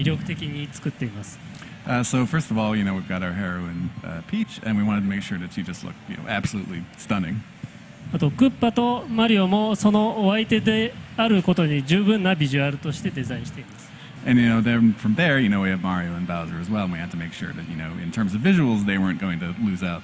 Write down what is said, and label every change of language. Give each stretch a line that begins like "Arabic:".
Japanese: このアミーボはすごい細かい作り方になっているようですので、それについてちょっと説明していただけますか。はい、ヒロインであるピーチ姫をより可愛く魅力的に作っています。
English: So first of all, you know, we've got our heroine Peach, and we wanted to make sure that she just looked, you know, absolutely stunning.
Japanese: あとクッパとマリオもそのお相手であることに十分なビジュアルとしてデザインしています。
English: And you know, then from there, you know, we have Mario and Bowser as well, and we had to make sure that, you know, in terms of visuals, they weren't going to lose out.